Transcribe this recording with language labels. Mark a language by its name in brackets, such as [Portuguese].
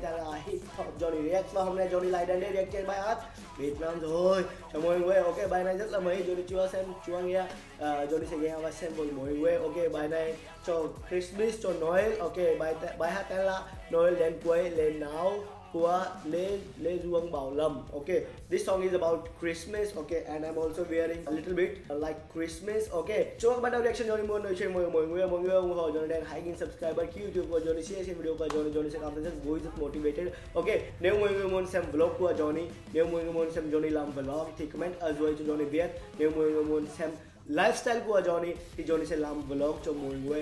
[Vietnamese] Tên là HIPHOPJOHNY React. Và hôm nay Johnny lại đến đây react trên bài hát Việt Nam rồi. Chào mọi người, ok, bài này rất là mới. Johnny chưa xem, chưa nghe. Johnny sẽ nghe và xem với mọi người. Ok, bài này cho Christmas, cho Noel. Ok, bài hát tên là Noel đến quê, lên nào của Lê Duong Bảo Lâm. [English] Ok, this song is about Christmas. Ok, and I'm also wearing a little bit like Christmas. [Vietnamese] Ok, chúc các bạn đã reaction Johnny muốn nói chuyện với mọi người ủng hộ Johnny đen. Hãy nhấn subscribe bật YouTube của Johnny, share xem video của Johnny sẽ cảm thấy rất vui, rất motivated. Ok, nếu mọi người muốn xem vlog của Johnny, nếu mọi người muốn xem Johnny làm vlog thì comment ở dưới cho Johnny biết. Nếu mọi người muốn xem lifestyle của Johnny thì Johnny sẽ làm vlog cho mọi người.